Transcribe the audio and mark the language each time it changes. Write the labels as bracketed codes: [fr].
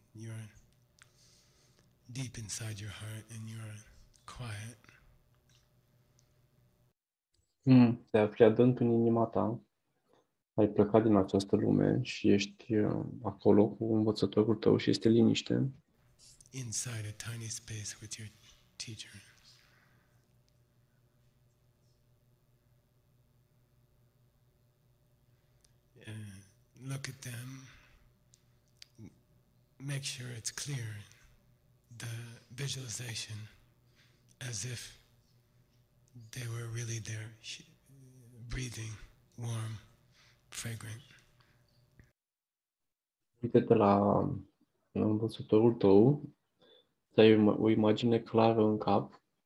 [en] You are deep inside your heart and you are quiet. [ro] Te afli adânc în inima ta ai plecat din această lume și ești acolo cu învățătorul tău și este liniște. [en] Inside a tiny space with your teacher. Look at them. Make sure it's clear, the visualization, as if they were really there, breathing, warm, fragrant. [ro] Uite-te la învățătorul tău, să ai o imagine clară în cap.